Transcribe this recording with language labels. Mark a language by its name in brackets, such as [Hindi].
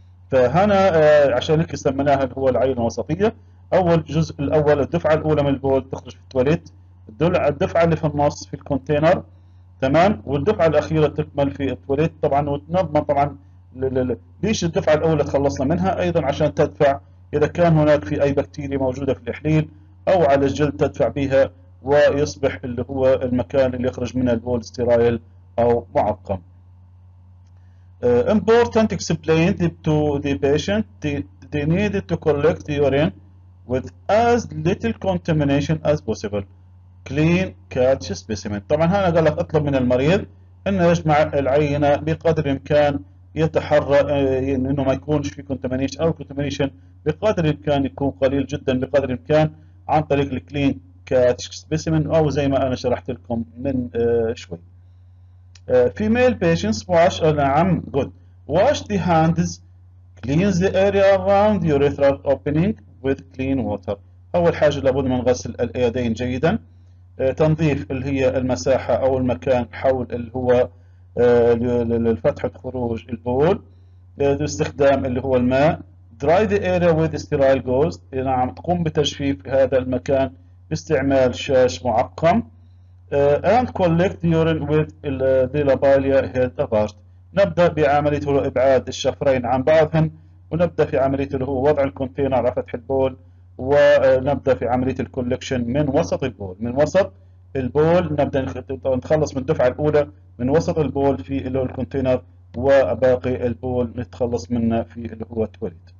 [Arabic] فهنا عشان هيك سميناها اللي هو العينه الوسطيه اول جزء الاول الدفعه الاولى من البول تخرج في التواليت الدفعه اللي في النص في الكونتينر تمام والدفعه الاخيره تكمل في التواليت طبعا وتنظم طبعا ليش الدفعه الاولى تخلصنا منها ايضا عشان تدفع اذا كان هناك في اي بكتيريا موجوده في الحليب او على الجلد تدفع بها ويصبح اللي هو المكان اللي يخرج منه البول ستيرايل او معقم. [English] Important explain to the patient they need to collect the urine with as little contamination as possible. Clean catch specimen. [Arabic] طبعا هنا قال لك اطلب من المريض انه يجمع العينه بقدر الامكان يتحرى انه ما يكونش في contamination او contamination بقدر الامكان يكون قليل جدا بقدر الامكان عن طريق الكلين كاتش سبيسيمن او زي ما انا شرحت لكم من شوي. [English] Female patients wash نعم good wash the hands clean the area around the urethral opening with clean water. [Arabic] اول حاجه لابد من غسل اليدين جيدا. تنظيف اللي هي المساحه او المكان حول اللي هو الفتحه خروج البول باستخدام اللي هو الماء. [English] Dry the area with sterile gauze. [Arabic] نعم تقوم بتجفيف هذا المكان باستعمال شاش معقم. [English] And collect urine with the labia held apart. [Arabic] نبدا بعمليه ابعاد الشفرين عن بعضهم ونبدا في عمليه اللي هو وضع الكونتينر على فتح البول ونبدا في عمليه الكولكشن من وسط البول. من وسط البول نبدا نتخلص من الدفعه الاولى من وسط البول في اللي هو الكونتينر وباقي البول نتخلص منه في اللي هو التواليت.